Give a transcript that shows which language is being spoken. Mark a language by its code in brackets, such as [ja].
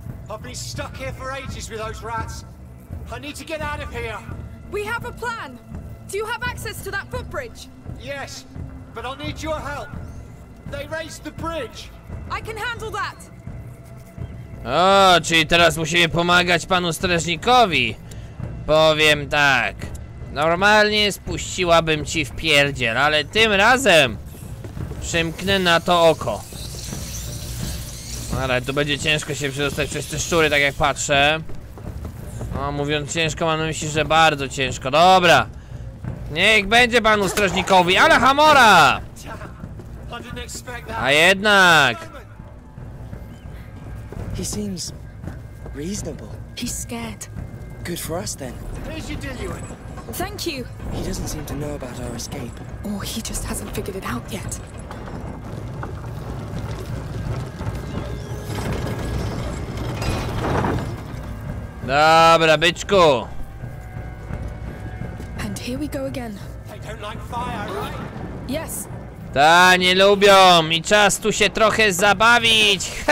[en] I've been stuck here for ages with those rats. I need to get out of here. We have a plan. Do you have access to that footbridge? Yes, but I'll need your help. They raised the bridge. I can handle that. [pl] O, czyli teraz musimy pomagać panu strażnikowi. Powiem tak. Normalnie spuściłabym ci w pierdziel, ale tym razem przymknę na to oko. Ale tu będzie ciężko się przedostać przez te szczury, tak jak patrzę. O, mówiąc ciężko, mam na myśli, że bardzo ciężko. Dobra. Niech będzie panu strażnikowi, ale hamora! A jednak! [en] He seems reasonable. He's scared. Good for us then. Here's your diluent. Thank you. He doesn't seem to know about our escape. Or he just hasn't figured it out yet. [pl] Dobra, byczku. [en] And here we go again. They don't like fire, right? Yes. [pl] Ta, nie lubią. I czas tu się trochę zabawić.